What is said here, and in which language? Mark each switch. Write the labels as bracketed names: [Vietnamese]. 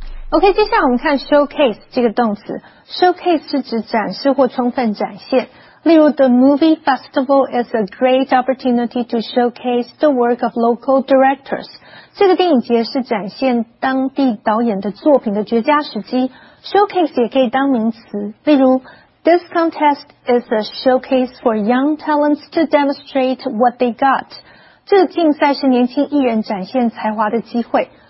[Chinese] OK, 接下来我们看 showcase 这个动词。showcase 是指展示或充分展现。例如 [English] ,the movie festival is a great opportunity to showcase the work of local directors. [Chinese] 这个电影节是展现当地导演的作品的绝佳时机。 showcase 也可以当名词。例如 [English] ,this contest is a showcase for young talents to demonstrate what they got. [Chinese] 这个竞赛是年轻艺人展现才华的机会。